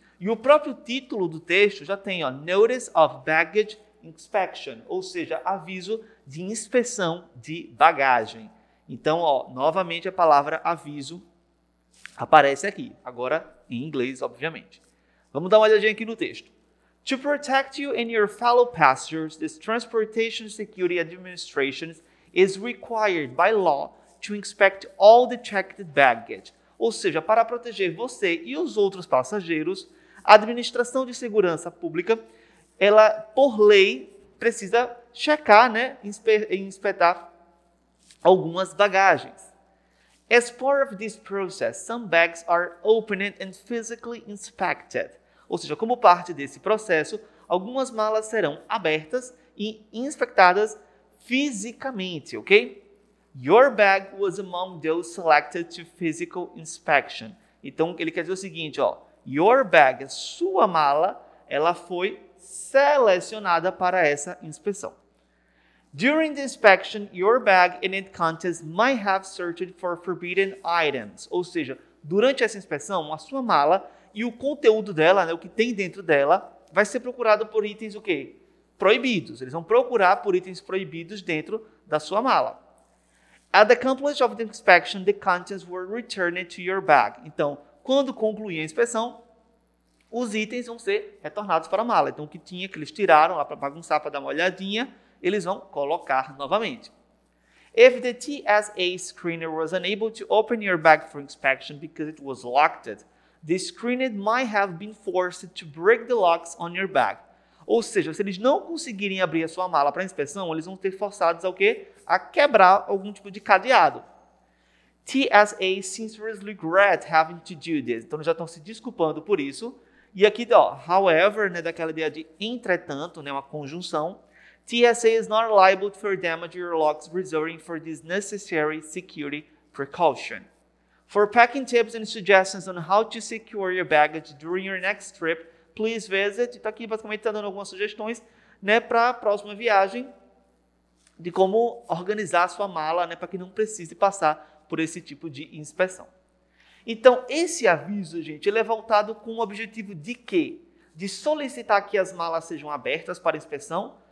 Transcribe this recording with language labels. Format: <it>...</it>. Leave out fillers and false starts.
<pt>E o próprio título do texto já tem, ó,</pt> <en>Notice of Baggage Inspection,</en> <pt>ou seja, aviso de inspeção de bagagem. Então, ó, novamente a palavra aviso aparece aqui, agora em inglês, obviamente. Vamos dar uma olhadinha aqui no texto.</pt> <en>To protect you and your fellow passengers, this Transportation Security Administration is required by law to inspect all the checked baggage.</en> <pt>Ou seja, para proteger você e os outros passageiros, a Administração de Segurança Pública, ela, por lei, precisa checar, né, inspetar algumas bagagens.</pt> <en>As part of this process, some bags are opened and physically inspected.</en> <pt>Ou seja, como parte desse processo, algumas malas serão abertas e inspectadas fisicamente, ok?</pt> <en>Your bag was among those selected to physical inspection.</en> <pt>Então, ele quer dizer o seguinte, ó.</pt> <en>Your bag,</en> <pt>a sua mala, ela foi selecionada para essa inspeção.</pt> <en>During the inspection, your bag and its contents might have searched for forbidden items.</en> <pt>Ou seja, durante essa inspeção, a sua mala e o conteúdo dela, né, o que tem dentro dela, vai ser procurado por itens o quê? Proibidos. Eles vão procurar por itens proibidos dentro da sua mala.</pt> <en>At the completion of the inspection, the contents were returned to your bag.</en> <pt>Então, quando concluir a inspeção, os itens vão ser retornados para a mala. Então, o que tinha, que eles tiraram lá para bagunçar, para dar uma olhadinha, eles vão colocar novamente.</pt> <en>If the TSA screener was unable to open your bag for inspection because it was locked, the screener might have been forced to break the locks on your bag.</en> <pt>Ou seja, se eles não conseguirem abrir a sua mala para inspeção, eles vão ter forçados a o quê? A quebrar algum tipo de cadeado.</pt> <en>TSA sincerely regret having to do this.</en> <pt>Então, eles já estão se desculpando por isso. E aqui, ó, however, né, daquela ideia de entretanto, né, uma conjunção.</pt> <en>TSA is not liable for damage your locks reserving for this necessary security precaution. For packing tips and suggestions on how to secure your baggage during your next trip, please visit.</en> <pt>Então, aqui, basicamente, está dando algumas sugestões, né, para a próxima viagem, de como organizar a sua mala, né, para que não precise passar por esse tipo de inspeção. Então, esse aviso, gente, ele é voltado com o objetivo de quê? De solicitar que as malas sejam abertas para inspeção?</pt>